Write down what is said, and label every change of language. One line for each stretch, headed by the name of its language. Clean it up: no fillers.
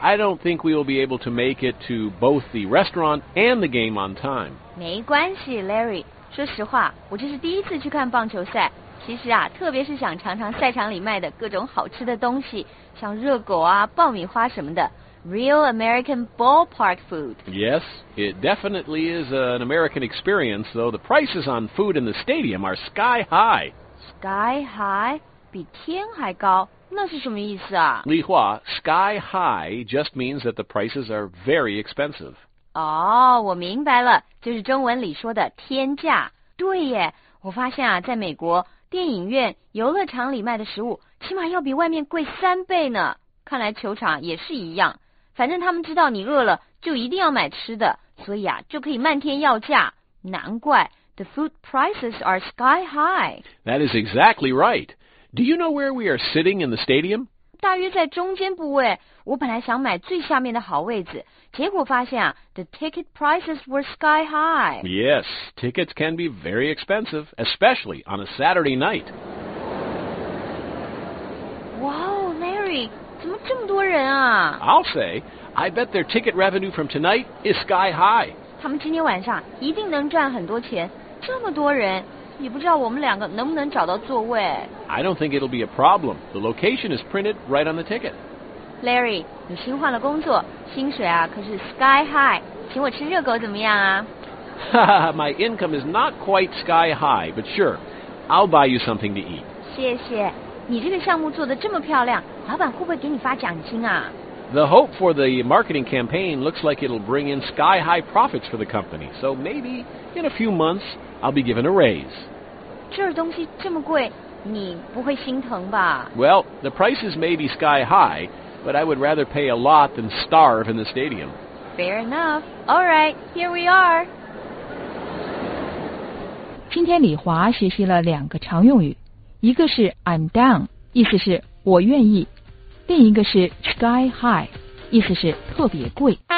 English: I don't think we will be able to make it to both the restaurant and the game on time.
Chinese: 没关系 ，Larry。说实话，我这是第一次去看棒球赛。其实啊，特别是想尝尝赛场里卖的各种好吃的东西，像热狗啊、爆米花什么的。
English: Real American ballpark food. Yes, it definitely is an American experience. Though the prices on food in the stadium are sky high. Sky high.
Chinese: 比天还高，那是什么意思啊？
English: 李华 ，sky high just means that the prices are very expensive.
Chinese: 哦，我明白了，就是中文里说的天价。对耶，我发现啊，在美国电影院、游乐场里卖的食物，起码要比外面贵三倍呢。看来球场也是一样，反正他们知道你饿了，就一定要买吃的，所以啊，就可以漫天要价。难怪
English: the food prices are sky high. That is exactly right. Do you know where we are sitting in the stadium?
Chinese: 大约在中间部位。我本来想买最下面的好位置，结果发现啊 ，
English: the ticket prices were sky high. Yes, tickets can be very expensive, especially on a Saturday night.
Chinese: Wow, Larry, 怎么这么多人啊
English: ？I'll say, I bet their ticket revenue from tonight is sky high.
Chinese: 他们今天晚上一定能赚很多钱，这么多人。也不知道我们两个能不能找到座位。
English: I don't think it'll be a problem. The location is printed right on the ticket.
Chinese: Larry, 你新换了工作，薪水啊可是
English: sky high.
Chinese: 请我吃热狗怎么样啊？
English: My income is not quite sky high, but sure, I'll buy you something to eat.
Chinese: 谢谢。你这个项目做得这么漂亮，老板会不会给你发奖金啊？
English: The hope for the marketing campaign looks like it'll bring in sky high profits for the company. So maybe in a few months. I'll be given a raise.
Chinese: 这东西这么贵，你不会心疼吧？
English: Well, the prices may be sky high, but I would rather pay a lot than starve in the stadium. Fair enough. All right, here we are.
Chinese: 今天李华学习了两个常用语，一个是
English: I'm down，
Chinese: 意思是我愿意；另一个是
English: sky high，
Chinese: 意思是特别贵。